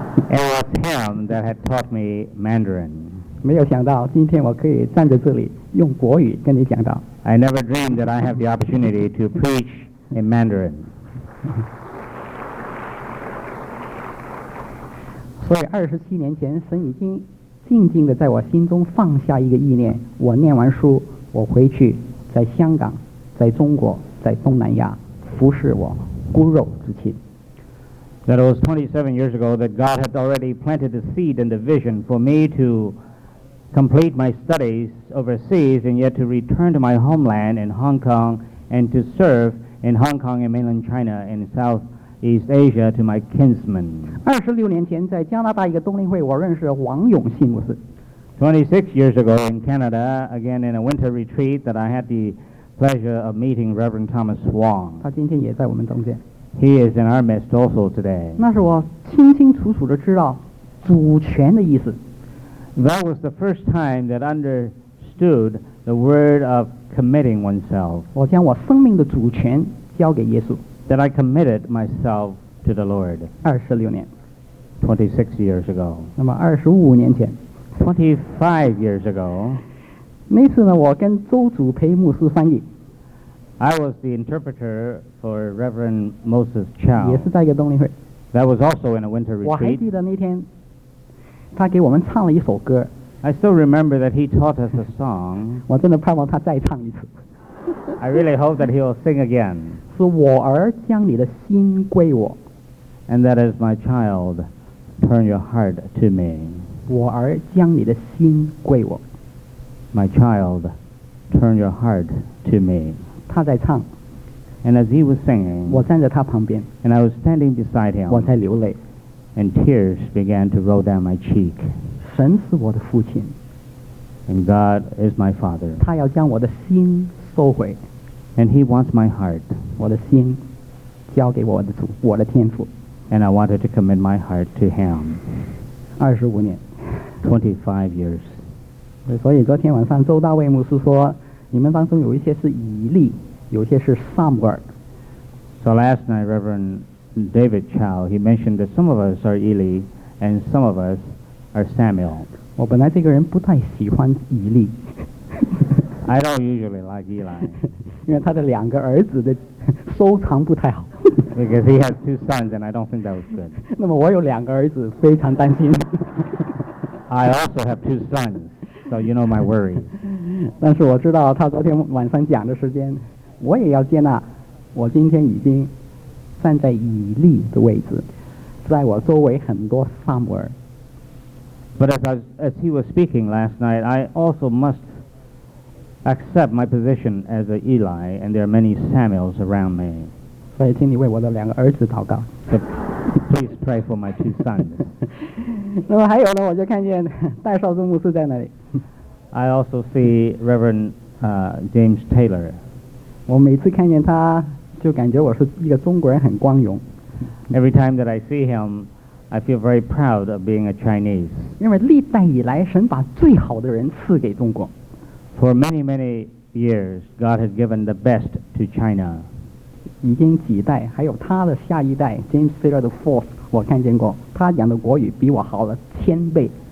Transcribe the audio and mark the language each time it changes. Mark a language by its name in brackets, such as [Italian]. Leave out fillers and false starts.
[English] It was him that had taught me Mandarin. [Chinese] 没有想到今天我可以站在这里用国语跟你讲道。 [English] I never dreamed that I have the opportunity to preach in Mandarin. [Chinese] 所以27年前神已经静静地在我心中放下一个意念，我念完书，我回去，在香港，在中国，在东南亚服侍我骨肉之亲。 [English] That it was 27 years ago that God had already planted the seed and the vision for me to complete my studies overseas and yet to return to my homeland in Hong Kong and to serve in Hong Kong and mainland China and Southeast Asia to my kinsmen. [Chinese] 26年前在加拿大一个冬令会我认识王永信牧师。 [English] 26 years ago in Canada, again in a winter retreat that I had the pleasure of meeting Reverend Thomas Wong. [Chinese] 他今天也在我们中间。 [English] He is in our midst also today. [Chinese] 那是我清清楚楚地知道主权的意思。 [English] That was the first time that understood The word of committing oneself. [Chinese] 我将我生命的主权交给耶稣。 [English] That I committed myself to the Lord. [Chinese] 26年。 [English] 26 years ago. [Chinese] 那么25年前。 [English] 25 years ago. [Chinese] 那次呢，我跟周主培牧师翻译。 [English] I was the interpreter for Reverend Moses Chow. [Chinese] 也是在一个冬令会。 [English] That was also in a winter retreat. [Chinese] 我还记得那天，他给我们唱了一首歌。 [English] I still remember that he taught us a song. [Chinese] 我真的盼望他再唱一次。 [English] I really hope that he will sing again. [Chinese] 是我儿将你的心归我。 [English] And that is my child, turn your heart to me. [Chinese] 我儿将你的心归我。 [English] My child, turn your heart to me. [Chinese] 他在唱。 [English] And as he was singing, [Chinese] 我站在他旁边。 [English] And I was standing beside him. [Chinese] 我在流泪。 [English] And tears began to roll down my cheek. [Chinese] 神是我的父亲 [English] and God is my father. [Chinese] 他要将我的心收回 [English] and he wants my heart. [Chinese] 我的心交给我的主，我的天父 [English] and I wanted to commit my heart to him. [Chinese] 25年 [English] 25 years. [Chinese] 所以昨天晚上周大卫牧师说，你们当中有一些是以利，有些是撒母耳。 [English] So last night, Reverend David Chow, he mentioned that some of us are Eli and some of us. Or Samuel. [Chinese] 我本来这个人不太喜欢以利。 [English] I don't usually like Eli. [Chinese] 因为他的两个儿子的收藏不太好。 [English] Because he has two sons and I don't think that was good. [Chinese] 那么我有两个儿子非常担心。 [English] I also have two sons, so you know my worry. [Chinese] 但是我知道他昨天晚上讲的时间，我也要接纳我今天已经站在以利的位置，在我周围很多撒母耳。 [English] But as he was speaking last night, I also must accept my position as an Eli, and there are many Samuels around me. [Chinese] 所以请你为我的两个儿子祷告。 [English] So please pray for my two sons. [Chinese] 那么还有呢，我就看见戴绍宗牧师在那里。 [English] I also see Reverend James Taylor. [Chinese] 我每次看见他，就感觉我是一个中国人，很光荣。 [English] Every time that I see him,I feel very proud of being a Chinese. [Chinese] 因为历代以来神把最好的人赐给中国。 [English] For many, many years, God has given the best to China. [Chinese] 已经几代，还有他的下一代 James Taylor the Fourth, 我看见过，他讲的国语比我好了千倍。